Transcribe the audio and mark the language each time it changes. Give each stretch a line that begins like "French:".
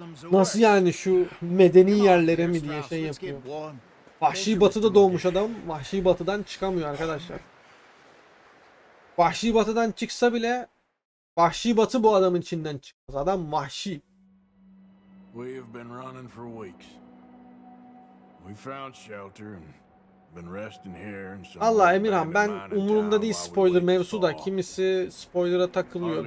Turkish: Nasıl yani, şu medeni yerlere mi diye şey yapıyor. Vahşi batıda doğmuş adam, vahşi batıdan çıkamıyor arkadaşlar. Vahşi batıdan çıksa bile vahşi batı bu adamın içinden çıkmaz. Adam vahşi.
English: We have been running for weeks. We found shelter and been resting here and so.
Turkish: Allah Emirhan, ben umurumda değil spoiler mevzu da, kimisi spoiler'a takılıyor.